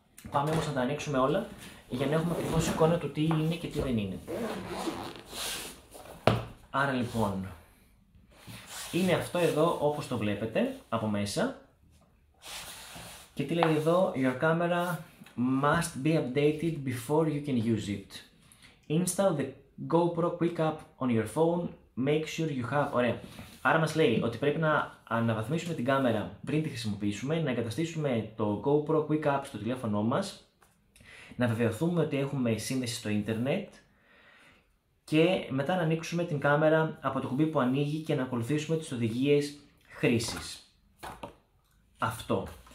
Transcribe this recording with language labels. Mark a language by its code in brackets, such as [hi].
[el] Πάμε όμως να τα ανοίξουμε όλα για να έχουμε ακριβώς εικόνα του τι είναι και τι δεν είναι. Άρα λοιπόν, είναι αυτό εδώ όπως το βλέπετε από μέσα. Και τι λέει εδώ, [en] your camera must be updated before you can use it. Install the GoPro Quick App on your phone, make sure you have... [el] Ωραία. Άρα μας λέει ότι πρέπει να αναβαθμίσουμε την κάμερα πριν τη χρησιμοποιήσουμε, να εγκαταστήσουμε το GoPro Quick App στο τηλέφωνό μας, να βεβαιωθούμε ότι έχουμε σύνδεση στο ίντερνετ και μετά να ανοίξουμε την κάμερα από το κουμπί που ανοίγει και να ακολουθήσουμε τις οδηγίες χρήσης. Αυτό.